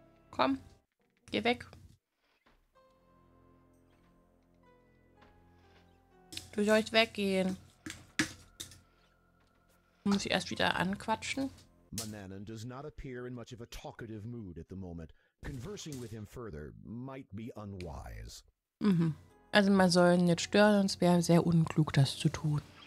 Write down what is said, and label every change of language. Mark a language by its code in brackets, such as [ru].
[de] Komm, geh weg. Du sollst weggehen. Muss ich erst wieder anquatschen? [en] Manannan does not appear in much of a talkative mood at the moment. Conversing with him further might be unwise. Mhm. [de] Also man soll ihn nicht stören, sonst wäre sehr unklug, das zu tun.